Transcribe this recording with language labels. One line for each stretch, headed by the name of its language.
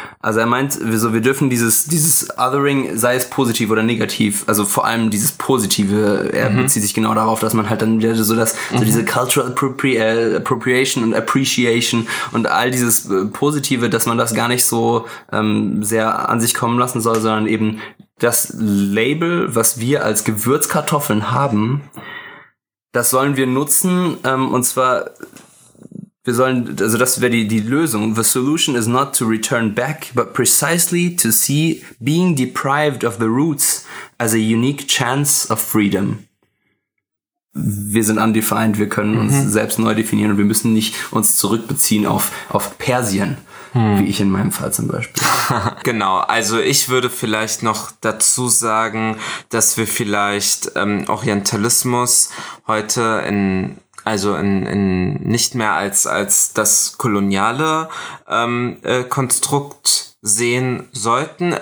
German: Also er meint, wir dürfen dieses Othering, sei es positiv oder negativ, also vor allem dieses Positive, er bezieht sich genau darauf, dass man halt dann wieder so dass so diese Cultural Appropriation und Appreciation und all dieses Positive, dass man das gar nicht so sehr an sich kommen lassen soll, sondern eben das Label, was wir als Gewürzkartoffeln haben, das sollen wir nutzen, und zwar, wir sollen, also das wäre die Lösung.
English: The solution is not to return back, but precisely to see being deprived of the roots as a unique chance of freedom.
German: Wir sind undefined, wir können uns selbst neu definieren und wir müssen nicht uns zurückbeziehen auf Persien, wie ich in meinem Fall zum Beispiel. Genau, also ich würde vielleicht noch dazu sagen, dass wir vielleicht Orientalismus heute in nicht mehr als das koloniale Konstrukt sehen sollten.